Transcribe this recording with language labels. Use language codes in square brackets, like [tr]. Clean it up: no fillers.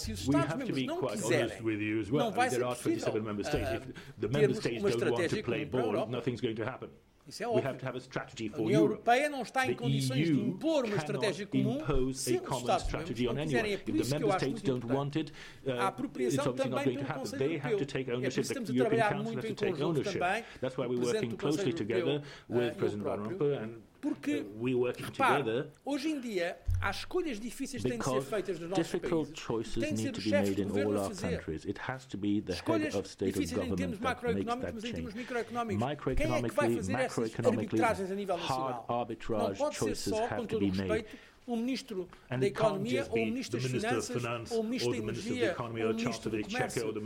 [pt] Se os Estados-membros não quiserem, não vai ser possível termos uma estratégia para a Europa. Isso é óbvio. [en] We have to have a strategy for [pt] a União Europeia não está em condições de impor uma estratégia comum se os Estados-membros não quiserem. É por isso que eu acho muito importante. A apropriação também pelo Conselho Europeu. É por isso que temos de trabalhar muito em conjunto também. [en] That's why we're working closely together with President Van Rompuy and [pt] porque, repare, hoje em dia, há escolhas difíceis que têm de ser feitas nos nossos países. Têm de ser os chefes de governo a fazer. Escolhas difíceis em termos macroeconómicos, mas em termos microeconómicos. Quem é que vai fazer essas arbitragens a nível nacional? Não pode ser só, com todo o respeito, um ministro da economia, ou um ministro das finanças, ou um ministro da energia, ou um ministro do comércio.